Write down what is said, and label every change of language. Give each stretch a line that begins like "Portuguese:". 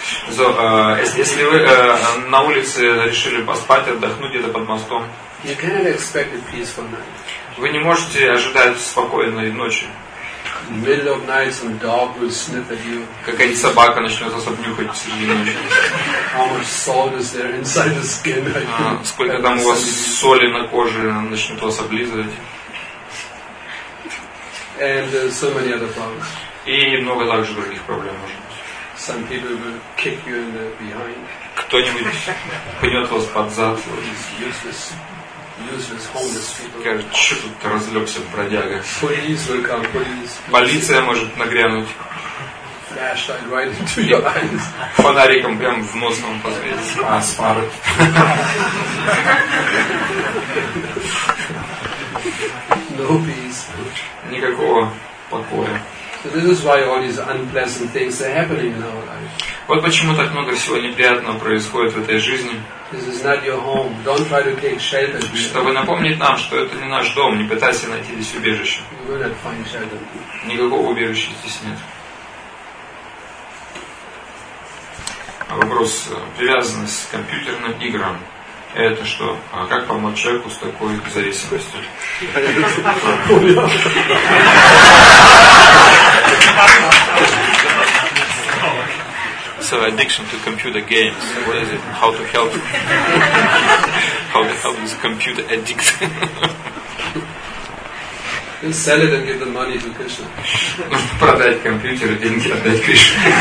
Russian: So, если вы на улице решили поспать, отдохнуть где-то под мостом,
English: you cannot expect a peaceful night.
Russian: Вы не можете ожидать спокойной ночи.
English: Middle of night, some dog will sniff at you.
Russian: Какая-нибудь собака начнет вас обнюхать среди ночи.
English: How much salt is there inside the skin?
Russian: Сколько там у вас соли на коже, начнет вас облизывать.
English: And so many other problems.
Russian: И много также других проблем может быть.
English: Some people will kick you in the behind.
Russian: Кто-нибудь пнет вас под зад.
English: Useless homeless people.
Russian: Скажет, что тут ты разлегся, бродяга.
English: Police will come, police.
Russian: Полиция может нагрянуть.
English: Flashlight right into your eyes.
Russian: Фонариком прям в нос вам посветит. А, с пары.
English: No peace.
Russian: Никакого покоя.
English: So this is why all these unpleasant things are happening in our life.
Russian: Вот почему так много всего неприятного происходит в этой жизни.
English: This is not your home. Don't try to take shelter.
Russian: Чтобы напомнить нам, что это не наш дом, не пытайся найти здесь убежище.
English: You will not find shelter.
Russian: Никакого убежища здесь нет. Вопрос: привязанность к компьютерным играм. Это что? А как помочь человеку с такой зависимостью?
English: So addiction to computer games. What is it? How to help? How to help this computer addict? Then sell it and give the money to Krishna.
Russian: Продать компьютер и деньги отдать Кришне.